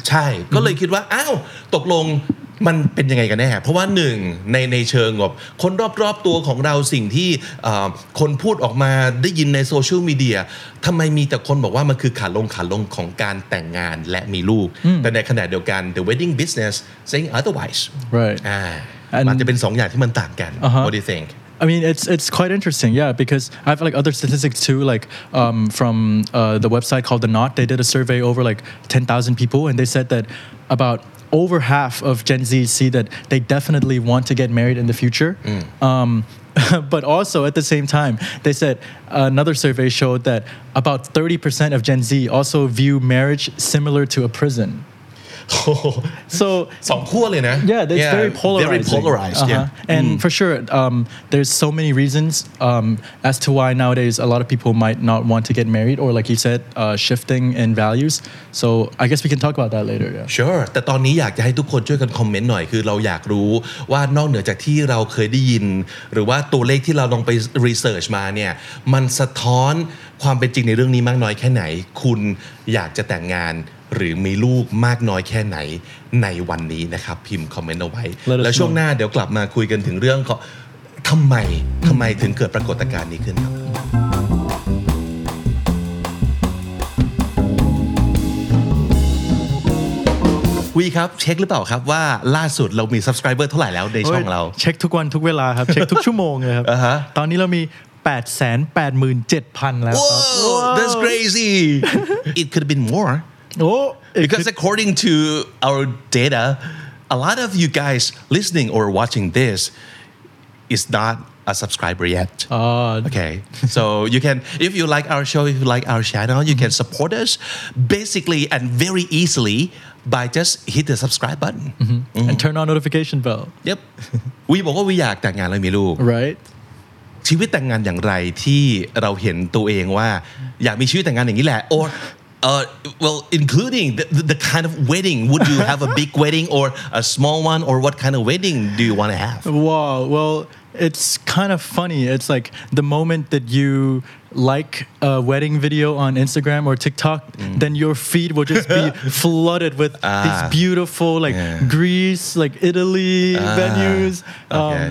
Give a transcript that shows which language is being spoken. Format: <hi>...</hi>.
<th>ใช่ mm-hmm. ก็เลยคิดว่าอ้าวตกลงมันเป็นยังไงกันแน่เพราะว่าหนึ่งในเชิงแบบคนรอบๆตัวของเราสิ่งที่คนพูดออกมาได้ยินในโซเชียลมีเดียทำไมมีแต่คนบอกว่ามันคือขาลงของการแต่งงานและมีลูกแต่ในขณะเดียวกัน</th> <en>the wedding business saying otherwise right</en> <th>มันจะเป็นสองอย่างที่มันต่างกัน</th> <en>uh-huh. what do you think I mean it's quite interesting yeah because I have like other statistics too like from the website called the Knot they did a survey over like 10,000 people and they said that aboutover half of Gen Z see that they definitely want to get married in the future. But also at the same time, they said another survey showed that about 30% of Gen Z also view marriage similar to a prison. So,</en> <th>สองขั้วเลยนะ</th> <en>Yeah, it's very polarizing. Very polarized, uh-huh. yeah. And for sure, there's so many reasons as to why nowadays a lot of people might not want to get married or like you said, shifting in values. So I guess we can talk about that later. Yeah. Sure.</en> <th>แต่ตอนนี้อยากจะให้ทุกคนช่วยกันคอมเมนต์หน่อยคือเราอยากรู้ว่านอกเหนือจากที่เราเคยได้ยินหรือว่าตัวเลขที่เราลองไปรีเสิร์ชมาเนี่ยมันสะท้อนความเป็นจริงในเรื่องนี้มากน้อยแค่ไหนคุณอยากจะแต่งงานหรือมีลูกมากน้อยแค่ไหนในวันนี้นะครับพิมพ์คอมเมนต์เอาไว้ แล้วช่วงหน้าเดี๋ยวกลับมาคุยกันถึงเรื่องทำไมถึงเกิดปรากฏการณ์นี้ขึ้นครับวีครับเช็คหรือเปล่าครับว่าล่าสุดเรามี subscriber เท่าไหร่แล้วในช่องเรา เช็คทุกวันทุกเวลาครับเช็คทุกชั่วโมงเลยครับ ตอนนี้เรามี887,000แล้ว</th> <en>Whoa, that's crazy it could have been more Oh, because according to our data, a lot of you guys listening or watching this is not a subscriber yet. Okay. So you can, if you like our show, if you like our channel, you can support us basically and very easily by just hit the subscribe button. And turn on notification bell. Yep.</en> <th>We บอกว่าวิอยากแต่งงานแล้วมีลูก</th> <en>Right.</en> <th>ชีวิตแต่งงานอย่างไรที่เราเห็นตัวเองว่าอยากมีชีวิตแต่งงานอย่างนี้แหละ or</th> <en>Well, including the kind of wedding. Would you have a big wedding or a small one? Or what kind of wedding do you want to have? Wow. Well, it's kind of funny. It's like the moment that you like a wedding video on Instagram or TikTok, then your feed will just be flooded with these beautiful, like, Greece, like, Italy venues. Okay.</en>